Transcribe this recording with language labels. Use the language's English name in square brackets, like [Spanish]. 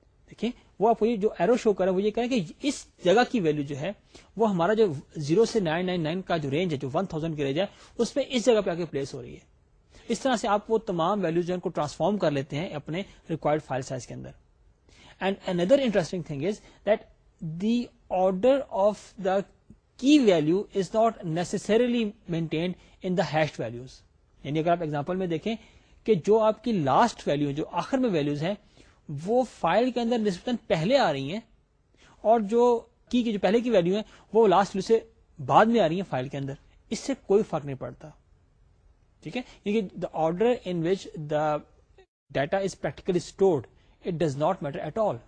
[Urdu] دیکھیں وہ آپ کو جو ایرو شو کر رہے ہیں وہ یہ کہہ رہے ہیں کہ اس جگہ کی ویلو جو ہے وہ ہمارا جو 0 to 999 کا جو رینج ہے جو 1000 کی رینج ہے اس میں اس جگہ پہ آ کے پلیس ہو رہی ہے. اس طرح سے آپ وہ تمام ویلوز کو ٹرانسفارم کر لیتے ہیں اپنے ریکوائرڈ فائل سائز کے اندر. [English] And اندر interesting thing is that the order of the key value is not necessarily maintained in the hash values. [Urdu] یعنی اگر آپ ایگزامپل میں دیکھیں کہ جو آپ کی لاسٹ ویلو جو آخر میں ویلوز ہیں وہ فائل کے اندر نسبتاً پہلے آ رہی ہیں اور جو کی جو پہلے کی ویلو ہیں وہ لاسٹ ویلو سے بعد میں آ رہی ہیں فائل کے اندر, اس سے کوئی فرق نہیں پڑتا. ٹھیک ہے, کیونکہ [English] The order in which the data is practically stored it does not matter at all.